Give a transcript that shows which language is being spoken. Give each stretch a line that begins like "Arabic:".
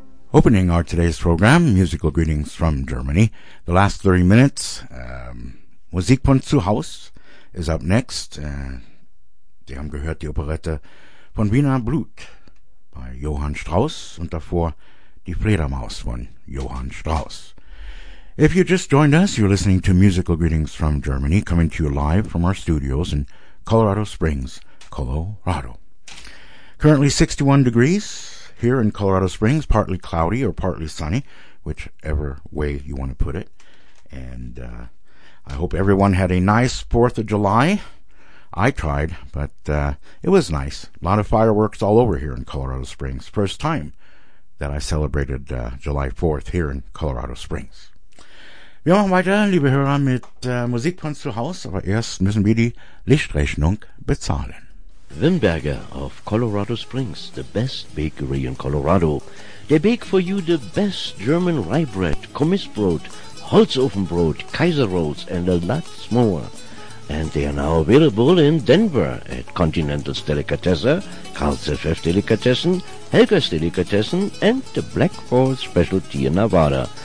English: Opening our today's program, musical greetings from Germany. The last 30 minutes, Musik von zu Haus is up next.
German: Sie haben gehört die Operette von Wiener Blut
English: by
German: Johann Strauss und davor die Fledermaus von Johann Strauss.
English: If you just joined us, you're listening to musical greetings from Germany coming to you live from our studios in Colorado Springs, Colorado. Currently 61 degrees. Here in Colorado Springs, partly cloudy or partly sunny, whichever way you want to put it. And I hope everyone had a nice 4th of July. I tried, but it was nice. A lot of fireworks all over here in Colorado Springs. First time that I celebrated July 4th here in Colorado Springs.
German: Wir machen weiter, liebe Hörer, mit Musik von zu Hause, aber erst müssen wir die Lichtrechnung bezahlen.
English: Wimberger of Colorado Springs, the best bakery in Colorado. They bake for you the best German rye bread, Kommissbrot, Holzofenbrot, Kaiser Rolls, and a lot more. And they are now available in Denver at Continental's Delicatesse, Karl Zeffers Delicatessen, Helga's Delicatessen, and the Black Horse Specialty in Nevada.